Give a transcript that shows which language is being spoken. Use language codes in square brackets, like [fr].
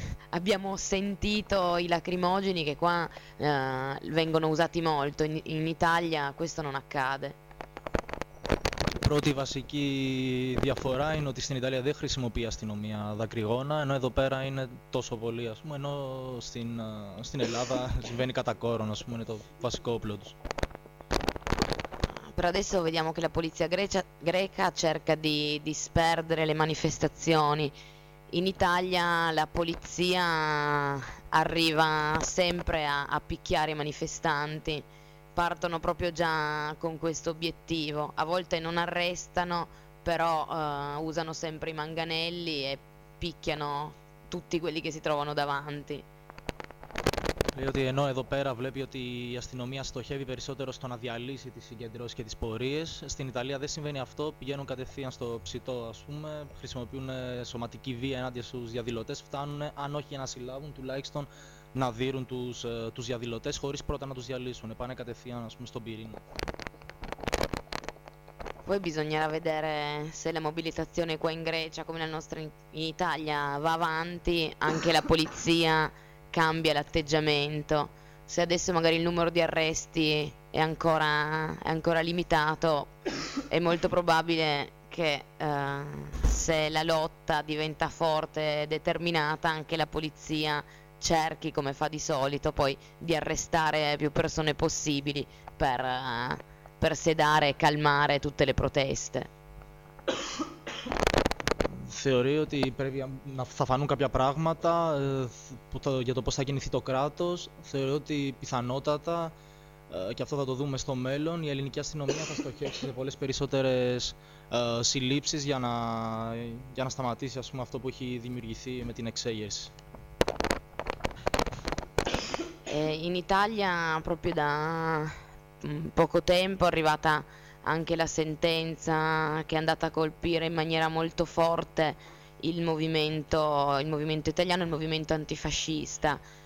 [it] Abbiamo sentito i lacrimogeni che qua vengono usati molto, in Italia questo non accade. [el] Πρώτη βασική διαφορά είναι ότι στην Ιταλία δεν χρησιμοποιεί αστυνομία δακρυγόνα, ενώ εδώ πέρα είναι τόσο πολύ, ας πούμε, ενώ στην Ελλάδα συμβαίνει κατά κόρον, ας πούμε, είναι το βασικό όπλο τους. [it] Per adesso vediamo che la polizia greca cerca di disperdere le manifestazioni. In Italia la polizia arriva sempre a picchiare i manifestanti, partono proprio già con questo obiettivo. A volte non arrestano, però usano sempre i manganelli e picchiano tutti quelli che si trovano davanti. [el] Λέει ότι ενώ εδώ πέρα βλέπει ότι η αστυνομία στοχεύει περισσότερο στο να διαλύσει τις συγκεντρώσεις και τις πορείες, στην Ιταλία δεν συμβαίνει αυτό, πηγαίνουν κατευθείαν στο ψητό, ας πούμε, χρησιμοποιούν σωματική βία ενάντια στους διαδηλωτές, φτάνουν, αν όχι για να συλλάβουν, τουλάχιστον να δείρουν τους διαδηλωτές χωρίς πρώτα να τους διαλύσουν, πάνε κατευθείαν, ας πούμε, στον πυρήνα. [it] Poi bisognerà vedere se la mobilitazione qua in Grecia, come la nostra in Italia, va avanti, anche la polizia cambia l'atteggiamento. Se adesso magari il numero di arresti è ancora limitato, è molto probabile che se la lotta diventa forte e determinata, anche la polizia cerchi, come fa di solito, poi di arrestare più persone possibili per sedare e calmare tutte le proteste. [el] Θεωρεί ότι πρέπει να θα φανούν κάποια πράγματα για το πώς θα κινηθεί το κράτος. Θεωρεί ότι πιθανότατα, και αυτό θα το δούμε στο μέλλον, η ελληνική αστυνομία θα στοχεύσει σε πολλές περισσότερες συλλήψεις για να σταματήσει, ας πούμε, αυτό που έχει δημιουργηθεί με την εξέγερση. [it] In Italia, proprio da poco tempo, arrivata anche la sentenza che è andata a colpire in maniera molto forte il movimento italiano, il movimento antifascista,